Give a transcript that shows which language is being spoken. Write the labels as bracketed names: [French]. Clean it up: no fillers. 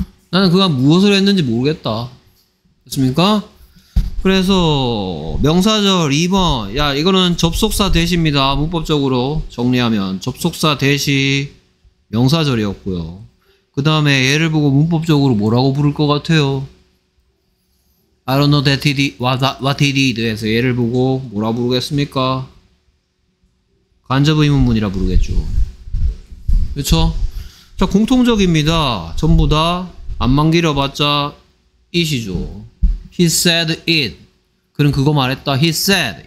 [Korean] 나는 그가 무엇을 했는지 모르겠다. 됐습니까? 그래서 명사절 2번. 야, 이거는 접속사 대시입니다. 문법적으로 정리하면 접속사 대시 명사절이었고요. 그 다음에 얘를 보고 문법적으로 뭐라고 부를 것 같아요? [English] I don't know that he did, what he did. [Korean] 해서 얘를 보고 뭐라 부르겠습니까? 간접 의문문이라 부르겠죠. 그쵸? 자, 공통적입니다. 전부 다 앞만 길어봤자 it이죠. He said it. 그럼 그거 말했다. He said.